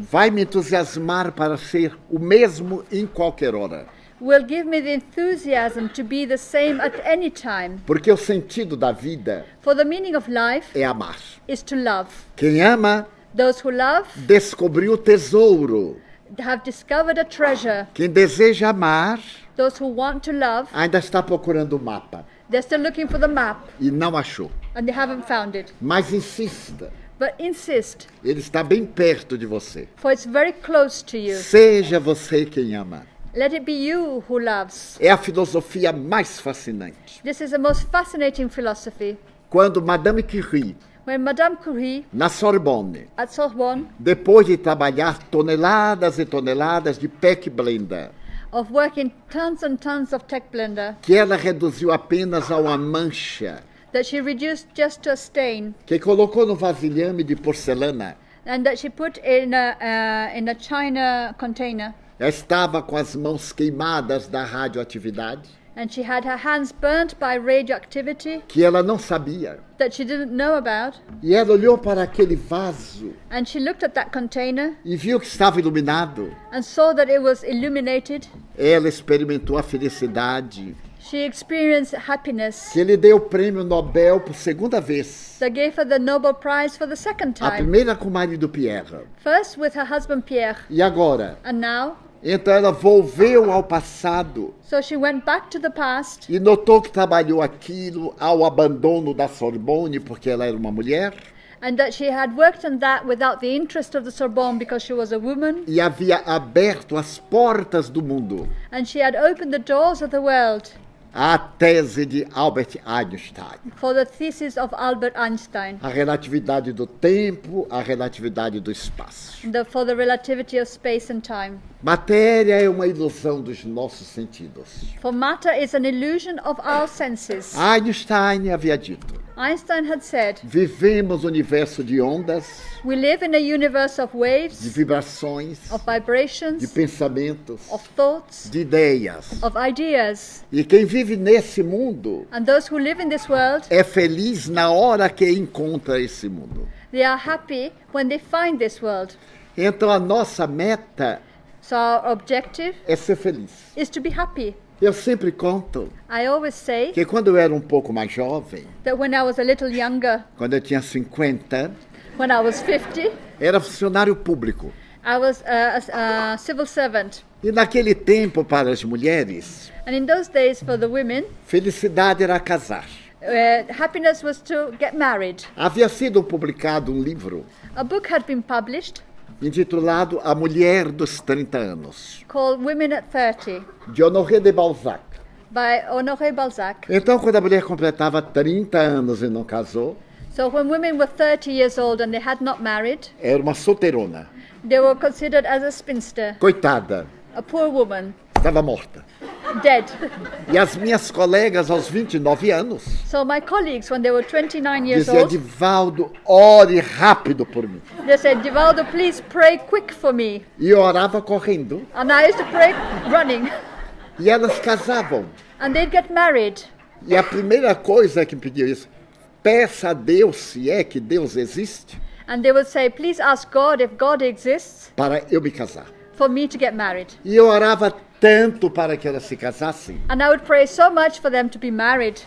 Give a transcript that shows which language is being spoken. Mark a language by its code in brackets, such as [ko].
[pt] Vai me entusiasmar para ser o mesmo em qualquer hora. [en] Will give me the enthusiasm to be the same at any time. [pt] Porque o sentido da vida. [en] For the meaning of life. [pt] É amar. [en] Is to love. [pt] Quem ama. [en] Those who love. [pt] Descobriu o tesouro. [en] Have discovered a treasure. [pt] Quem deseja amar. [en] Those who want to love. [pt] Ainda está procurando o mapa. [en] They're still looking for the map. [pt] E não achou. [en] And they haven't found it. [pt] Mas insista. [en] But insist. [pt] Ele está bem perto de você. [en] For it's very close to you. [pt] Seja você quem ama. [en] Let it be you who loves. [pt] É a filosofia mais fascinante. [en] This is the most fascinating philosophy. [pt] Quando Madame Curie. [en] When Madame Curie. [pt] Na Sorbonne. [en] At Sorbonne. [pt] Depois de trabalhar toneladas e toneladas de PEC Blender. [en] Of working tons and tons of tech blender. [pt] Que ela reduziu apenas a uma mancha. [en] That she reduced just to a stain. [pt] Que colocou no vasilhame de porcelana. [en] And that she put in a china container. [pt] Ela estava com as mãos queimadas da radioatividade. [en] And she had her hands burnt by radioactivity. [pt] Que ela não sabia. [en] That she didn't know about. [pt] E ela olhou para aquele vaso. [en] And she looked at that container. [pt] E viu que estava iluminado. [en] And saw that it was illuminated. [pt] Ela experimentou a felicidade. [en] She experienced happiness. [pt] Que lhe deu o prêmio Nobel por segunda vez. [en] That gave her the Nobel Prize for the second time. [pt] A primeira com o marido Pierre. [en] First with her husband Pierre. [pt] E agora? [en] And now? [pt] Então ela volveu ao passado. [en] So she went back to the past. [pt] E notou que trabalhou aquilo ao abandono da Sorbonne porque ela era uma mulher. [en] And that she had worked on that without the interest of the Sorbonne because she was a woman. [pt] E havia aberto as portas do mundo. [en] And she had opened the doors of the world. [pt] A tese de Albert Einstein. [en] For the thesis of Albert Einstein. [pt] A relatividade do tempo, a relatividade do espaço. [en] For the relativity of space and time. [pt] Matéria é uma ilusão dos nossos sentidos. [en] For matter is an illusion of our senses. [pt] Einstein havia dito. [en] Einstein had said. [pt] Vivemos um universo de ondas. [en] We live in a universe of waves. [pt] De vibrações. [en] Of vibrations. [pt] De pensamentos. [en] Of thoughts. [pt] De ideias. [en] Of ideas. [pt] E quem vive nesse mundo. [en] And those who live in this world. [pt] É feliz na hora que encontra esse mundo. [en] They are happy when they find this world. [pt] Então a nossa meta. [en] So our objective [pt] é ser feliz. [en] Is to be happy. [pt] Eu sempre conto. [en] I always say. [pt] Que quando eu era um pouco mais jovem. [en] That when I was a little younger. [pt] Quando eu tinha 50. [en] When I was 50. [pt] Era funcionário público. [en] I was a civil servant. [pt] E naquele tempo para as mulheres. [en] And in those days for the women. [pt] Felicidade era casar. [en] Happiness was to get married. [pt] Havia sido publicado um livro. [en] A book had been published. [pt] Intitulado A Mulher dos 30 Anos. [en] Called Women at 30. [pt] De Honoré de Balzac. [en] By Honoré Balzac. [pt] Então, quando a mulher completava 30 anos e não casou, [en] so when women were 30 years old and they had not married, [pt] era uma solteirona. [en] They were considered as a spinster. [pt] Coitada. [en] A poor woman. [pt] Estava morta. [en] Dead. [pt] E as minhas colegas aos 29 anos. [en] So my colleagues when they were 29 years old. [pt] Dizia Divaldo, ore rápido por mim. [en] They said, Divaldo, please pray quick for me. [pt] E orava correndo. [en] And I used to pray running. [pt] E elas casavam. [en] And they'd get married. [pt] E a primeira coisa que me pediu isso, peça a Deus se é que Deus existe. [en] And they would say, please ask God if God exists. [pt] Para eu me casar. [en] For me to get married. [pt] E eu orava tanto para que elas se casassem. [en] And I would pray so much for them to be married.